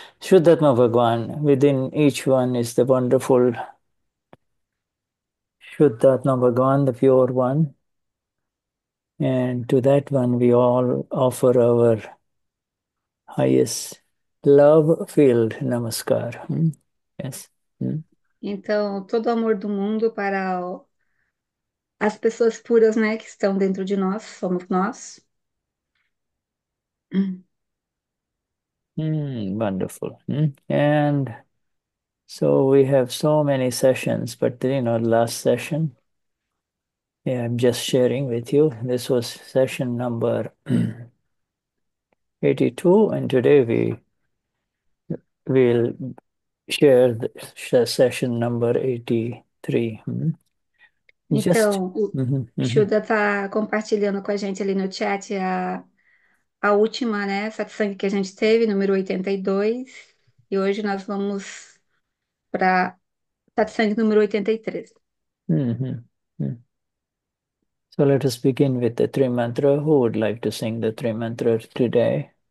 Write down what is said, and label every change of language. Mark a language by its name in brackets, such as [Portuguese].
[English] Shuddhatma Bhagwan, within each one is the wonderful Shuddhatma Bhagwan, the pure one. And to that one, we all offer our highest love-filled namaskar. Yes. [Portuguese] Então, todo o amor do mundo para as pessoas puras, né, que estão dentro de nós, somos nós. [English] Wonderful. And so we have so many sessions, but you know, last session, yeah, I'm just sharing with you. This was session number 82, and today we will share the session number 83. [Portuguese] Então, o Shuddha está compartilhando com a gente ali no chat a última, né, satsang que a gente teve, número 82, e hoje nós vamos para satsang número 83. [English] So let us begin with the three mantra. Who would like to sing the three mantra today?